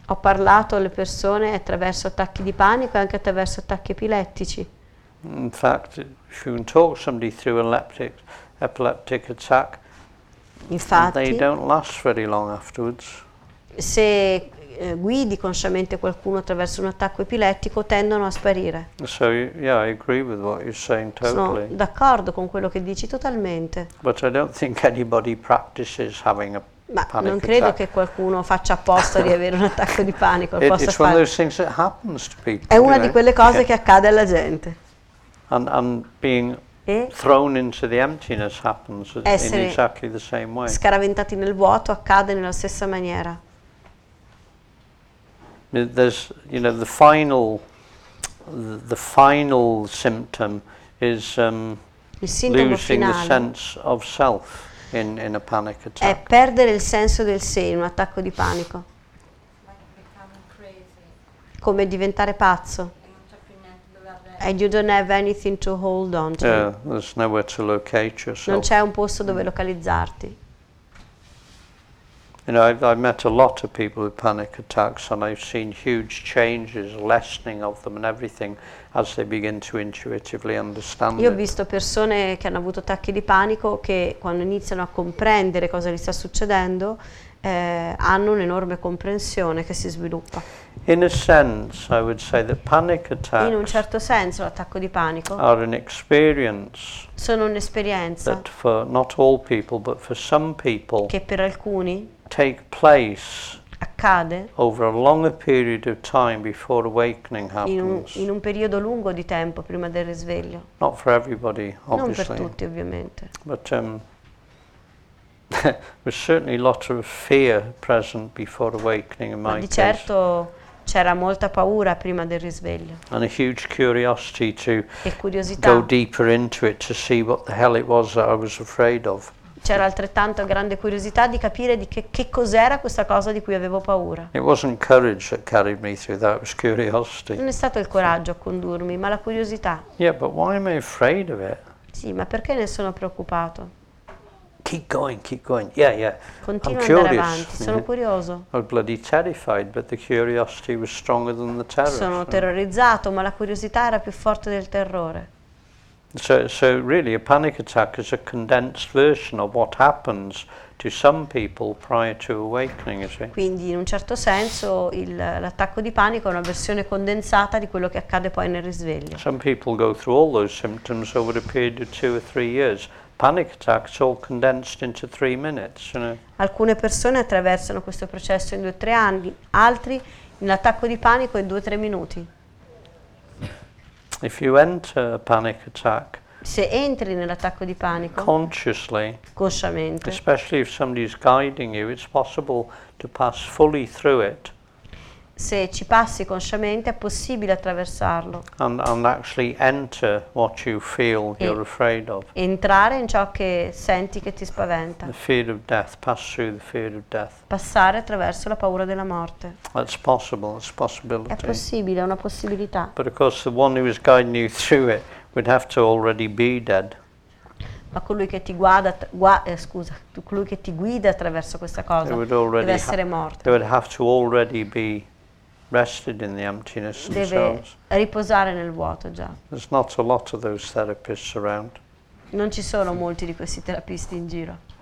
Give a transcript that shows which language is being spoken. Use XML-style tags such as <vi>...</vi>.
<it>Ho parlato alle persone attraverso attacchi di panico e anche attraverso attacchi epilettici.</it> <en>In fact, if you can talk somebody through an epileptic attack,</en> <it>infatti,</it> <en>they don't last very long afterwards.</en> <it>Se guidi consciamente qualcuno attraverso un attacco epilettico, tendono a sparire.</it> <en>So, yeah, I agree with what you're saying totally.</en> <it>Sono d'accordo con quello che dici totalmente.</it> <en>But I don't think anybody practices having a</en> <it>Ma</it> <en>panic</en> <it>non credo</it> <en>attack.</en> <it>Che qualcuno faccia apposta di avere un attacco di panico.</it> <en>It's one of those things that happens to people.</en> <it>È una di quelle cose che accade alla gente.</it> <en>And being thrown into the emptiness happens in exactly the same way.</en> <it>Scaraventati nel vuoto accade nella stessa maniera.</it> <en>there's, you know, the final symptom is losing</en> <it>finale.</it> <en>The sense of self in a panic attack.</en> <it>È perdere il senso del sé in un attacco di panico. Come diventare pazzo.</it> <en>And you don't have anything to hold on to. Yeah, there's nowhere to locate yourself.</en> <it>Non c'è un posto dove localizzarti.</it> <en>You know, I've met a lot of people with panic attacks, and I've seen huge changes, lessening of them and everything, as they begin to intuitively understand it.</en> <it>Io ho visto persone che hanno avuto attacchi di panico che, quando iniziano a comprendere cosa gli sta succedendo, hanno un'enorme comprensione che si sviluppa.</it> <en>In a sense, I would say that panic attacks.</en> <it>In un certo senso, l'attacco di panico.</it> <en>Are an experience.</en> <it>Sono un'esperienza.</it> <en>That for not all people, but for some people.</en> <it>Che per alcuni.</it> <en>Take place.</en> <it>Accade.</it> <en>Over a longer period of time before awakening happens.</en> <it>In un periodo lungo di tempo prima del risveglio.</it> <en>Not for everybody, obviously.</en> <it>Non per tutti, ovviamente.</it> <en>But there's certainly a lot of fear present before awakening in my case.</en> <it>Di certo c'era molta paura prima del risveglio.</it> <en>And a huge curiosity to</en> <it>e curiosità.</it> <en>Go deeper into it to see what the hell it was that I was afraid of.</en> <it>C'era altrettanto grande curiosità di capire di che cos'era questa cosa di cui avevo paura.</it> <en>It wasn't courage that carried me through that, it was curiosity.</en> <it>Non è stato il coraggio a condurmi, ma la curiosità.</it> <en>Yeah, but why am I afraid of it?</en> <it>Sì, ma perché ne sono preoccupato?</it> <en>Keep going. Yeah.</en> <it>Continua</it> <en>I'm curious.</en> <it>Andare avanti, sono curioso.</it> <en>I'm bloody terrified, but the curiosity was stronger than the terror.</en> <it>Sono terrorizzato, ma la curiosità era più forte del terrore.</it> <en>So really a panic attack is a condensed version of what happens to some people prior to awakening, is it?</en> <it>Quindi in un certo senso l'attacco di panico è una versione condensata di quello che accade poi nel risveglio.</it> <en>Some people go through all those symptoms over a period of 2 or 3 years. Panic attacks all condensed into 3 minutes, you know.</en> <it>Alcune persone attraversano questo processo in 2 o 3 anni, altri in attacco di panico in 2 o 3 minuti.</it> <en>If you enter a panic attack,</en> <it>se entri nell'attacco di panico,</it> <en>consciously,</en> <it>cosciamente,</it> <en>especially if somebody is guiding you, it's possible to pass fully through it.</en> <it>Se ci passi consciamente, è possibile attraversarlo.</it> <en>And actually enter what you feel you're afraid of.</en> <it>Entrare in ciò che senti che ti spaventa.</it> <en>The fear of death, pass through the fear of death.</en> <it>Passare attraverso la paura della morte.</it> <en>That's possible, it's a possibility.</en> <it>È possibile, è una possibilità.</it> <en>But of course the one who is guiding you through it would have to already be dead.</en> <it>Ma colui che ti guida, colui che ti guida attraverso questa cosa deve essere morto.</it> <en>They would have to already be rested in the emptiness</en> <it>deve</it> <en>themselves.</en> <it>Riposare nel vuoto già.</it> <en>There's not a lot of those therapists around.</en> <it>Non ci sono molti di questi terapisti in giro.</it>